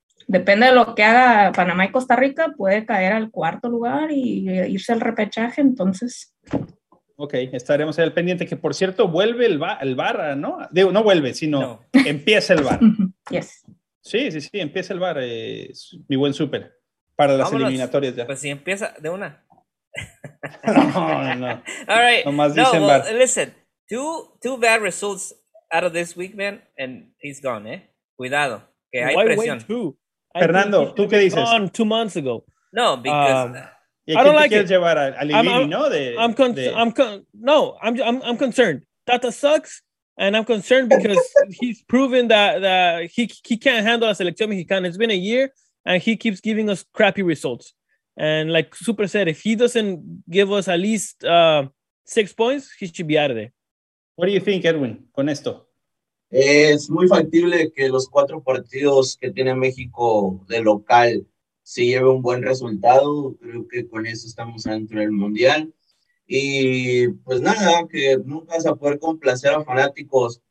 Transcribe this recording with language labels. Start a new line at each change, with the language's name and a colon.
Spanish: Depende de lo que haga Panamá y Costa Rica, puede caer al cuarto lugar y irse al repechaje, entonces. Ok, estaremos ahí al pendiente, que por cierto, vuelve el VAR, ¿no? No vuelve, sino empieza el VAR.
English: Yes.
Spanish: Sí, empieza el VAR, mi buen súper, para las eliminatorias ya. Pues sí, empieza de una.
English: All right. Listen, two bad results out of this week, man, and he's gone, eh?
Spanish: Cuidado. Que hay presión.
English: Why wait two?
Spanish: Fernando, ¿tú qué dices?
English: Gone 2 months ago. No, because... I don't like it. I'm concerned. Tata sucks, and I'm concerned because he's proven that he can't handle a selección mexicana. It's been a year, and he keeps giving us crappy results. And like Super said, if he doesn't give us at least 6 points, he should be out of there. What do you think, Edwin,
Spanish: con esto? Es muy factible que los cuatro partidos que tiene México de local si lleva un buen resultado, creo que con eso estamos dentro del Mundial. Y pues nada, que nunca vas a poder complacer a fanáticos.